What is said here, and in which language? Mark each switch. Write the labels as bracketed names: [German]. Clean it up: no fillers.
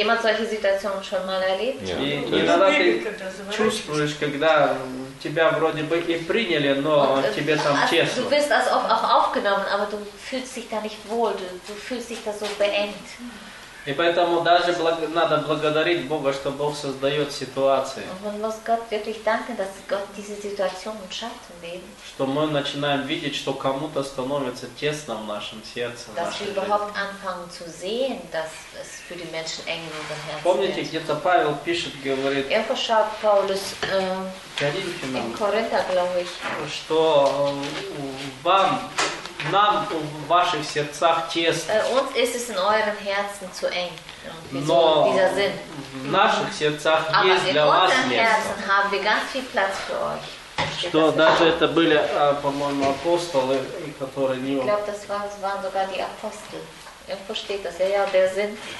[Russian] Иногда ты чувствуешь, когда тебя вроде бы и приняли, но тебе там тесно. [German] Du wirst also auch aufgenommen, aber du fühlst dich da nicht wohl, du fühlst dich da so beengt. [Russian] И поэтому даже надо благодарить Бога, что Бог создает ситуации. [German] Man muss Gott wirklich danken, dass Gott diese Situation schafft im Leben. [Russian] Что мы начинаем видеть, что кому-то становится тесно в нашем сердце. [German] Dass wir überhaupt anfangen zu sehen, dass es für die Menschen eng in unserem Herzen wird. [Russian] Помните, где-то Павел пишет, говорит. [German] Irgendwo schreibt Paulus [Russian] Коринфянам, [German] in Korinther, glaube ich, [Russian] что вам нам в ваших сердцах тесно. [German] Uns ist es in euren Herzen zu eng. [Russian] Но в наших сердцах есть для вас место. Что даже это были, по-моему, апостолы, которые не... [German] Ich glaube, das waren sogar die Apostel. Irgendwo steht das, ja, der Sinn.